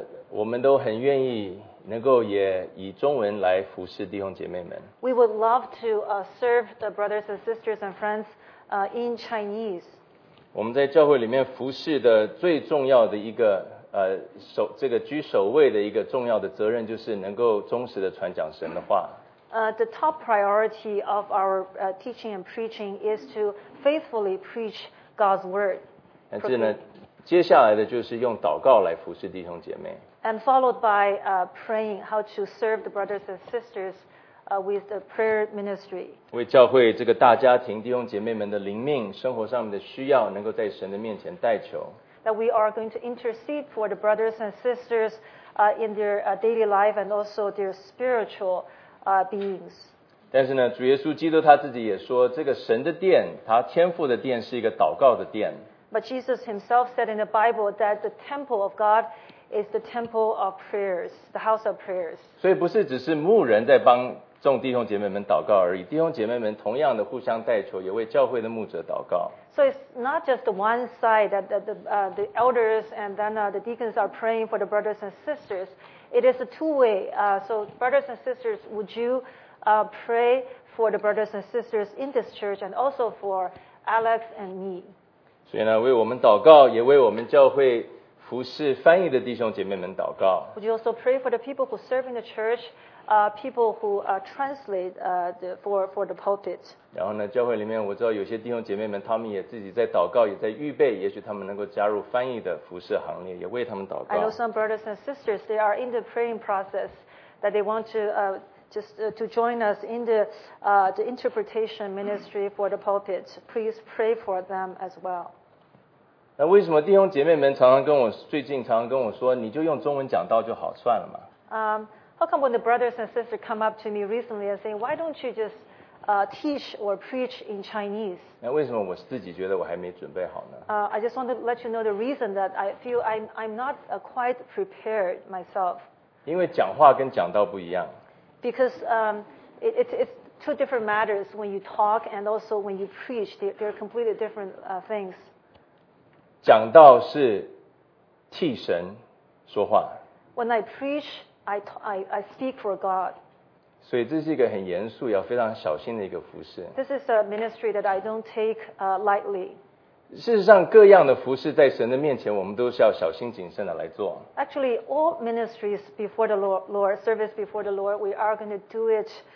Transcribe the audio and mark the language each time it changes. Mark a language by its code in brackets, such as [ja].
[zh] 我们都很愿意能够也以中文来服侍弟兄姐妹们。 [en] We would love to serve the brothers and sisters and friends in Chinese. [zh] 我们在教会里面服事的最重要的一个这个居首位的一个重要的责任，就是能够忠实的传讲神的话。 [en] The top priority of our teaching and preaching is to faithfully preach God's word. [zh] 但是呢，接下来的就是用祷告来服事弟兄姐妹。 [en] And followed by praying, how to serve the brothers and sisters with the prayer ministry. [zh] 为教会这个大家庭弟兄姐妹们的灵命生活上面的需要能够在神的面前代求。 [en] That we are going to intercede for the brothers and sisters in their daily life and also their spiritual beings. [zh] 但是呢，主耶稣基督他自己也说，这个神的殿，他天父的殿是一个祷告的殿。 [en] But Jesus himself said in the Bible that the temple of God is the temple of prayers, the house of prayers. [zh] 所以不是只是牧人在帮众弟兄姐妹们祷告而已，弟兄姐妹们同样的互相代求，也为教会的牧者祷告。 [en] So it's not just the one side that the elders and then the deacons are praying for the brothers and sisters. It is a two-way. So brothers and sisters, would you pray for the brothers and sisters in this church and also for Alex and me? [zh] 所以呢，为我们祷告，也为我们教会服侍翻译的弟兄姐妹们祷告。 [en] Would you also pray for the people who serve in the church, people who translate for the pulpit? [zh] 然后呢，教会里面我知道有些弟兄姐妹们，他们也自己在祷告，也在预备，也许他们能够加入翻译的服侍行列，也为他们祷告。 [en] I know some brothers and sisters, they are in the praying process that they want to to join us in the interpretation ministry for the pulpit. Please pray for them as well. [zh] 那为什么弟兄姐妹们最近常常跟我说，你就用中文讲道就好算了嘛？ [en] How come when the brothers and sisters come up to me recently and say, why don't you just teach or preach in Chinese? [zh] 那为什么我自己觉得我还没准备好呢？ [en] I just want to let you know the reason that I feel I'm not quite prepared myself. [zh] 因为讲话跟讲道不一样。 [en] Because it's two different matters when you talk and also when you preach. They're completely different things. [zh] 讲道是替神说话。 [en] When I preach, I speak for God. [zh] 所以这是一个很严肃，要非常小心的一个服事。 [en] This is a ministry that I don't take lightly. [zh] 事实上，各样的服事在神的面前，我们都是要小心谨慎的来做。 [en] Actually, all ministries before the Lord, service before the Lord, we are going to do it